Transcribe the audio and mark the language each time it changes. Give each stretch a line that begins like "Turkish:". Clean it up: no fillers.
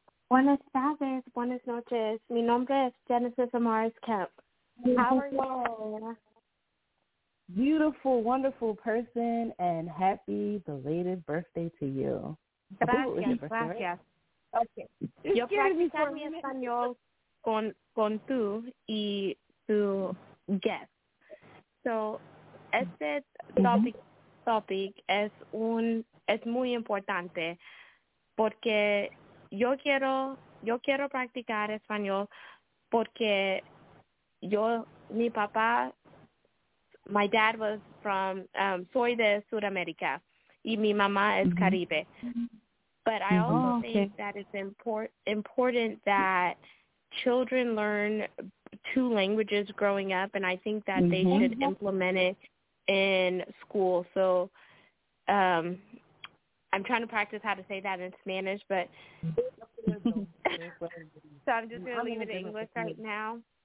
Spanish: Buenas tardes, buenas noches. Mi nombre es Genesis Amaris Kemp.
English: How are you? Beautiful, wonderful person, and happy belated birthday to you.
Spanish: Gracias.
English: Birthday,
Spanish: gracias.
English: Right? Okay.
Spanish: Yo practicé mi español con tú y tu guest. So, este topic es muy importante porque yo quiero practicar español porque mi papá,
English: my dad was from,
Spanish: soy de Sudamérica y mi mamá es Caribe.
English: But I also think that it's important that children learn two languages growing up, and I think that they should implement it in school. So I'm trying to practice how to say that in Spanish, but so I'm just going to leave it in English right now.